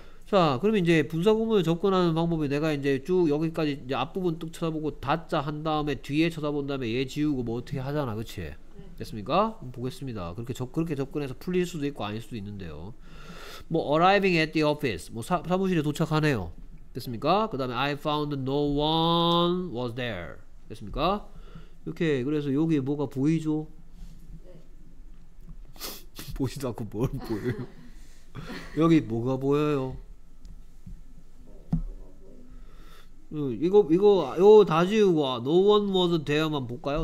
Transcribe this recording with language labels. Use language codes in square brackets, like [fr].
[ko] 자, 그러면 이제 분사구문을 접근하는 방법이 내가 이제 쭉 여기까지 이제 앞부분 뚝 쳐다보고 닫자 한 다음에 뒤에 쳐다본 다음에 얘 지우고 뭐 어떻게 하잖아. 그치? 됐습니까? 보겠습니다. 그렇게 접근해서 풀릴 수도 있고 아닐 수도 있는데요. 뭐 [en] arriving at the office. [ko] 뭐 사무실에 도착하네요. 됐습니까? 그 다음에 [en] I found no one was there. [ko] 됐습니까? 이렇게 그래서 여기에 뭐가 보이죠? 네. 보시다 그 뭘 보여요? 여기 뭐가 보여요? 이거 요 다 지우고 [en] no one was there [ko] 만 볼까요?